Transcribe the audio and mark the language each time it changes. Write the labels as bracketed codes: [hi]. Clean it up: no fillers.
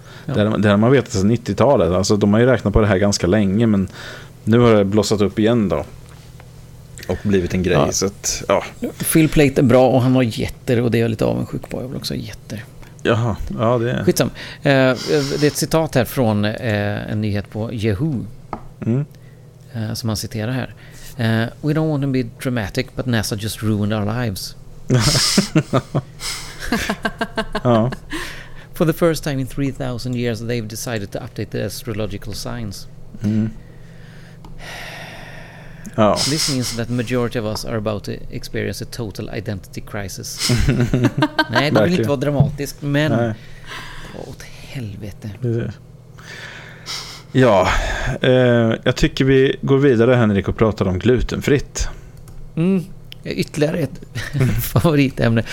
[sv] Det har man vetat sedan 90-talet. Alltså, de har ju räknat på det här ganska länge, men nu har det blossat upp igen då. Och blivit en grej. Ja. Så att, ja. Phil Plait är bra och han har jätter, och det är jag lite avundsjuk på. Jag vill också ha jätter. Jaha, ja det är... Skitsam. Det är ett citat här från en nyhet på Yahoo. Mm. Som han citerar här. [en] We don't want to be dramatic, but NASA just ruined our lives. [sv] Ja. [en] For the first time in 3,000 years they've decided to update the astrological signs. Mm. Oh. This means that the majority of us are about to experience a total identity crisis. [sv] Nej, det vill inte vara dramatisk, men åt helvete. Ja, jag tycker vi går vidare, Henrik, och pratar om glutenfritt. Mm. Ytterligare ett favoritämne.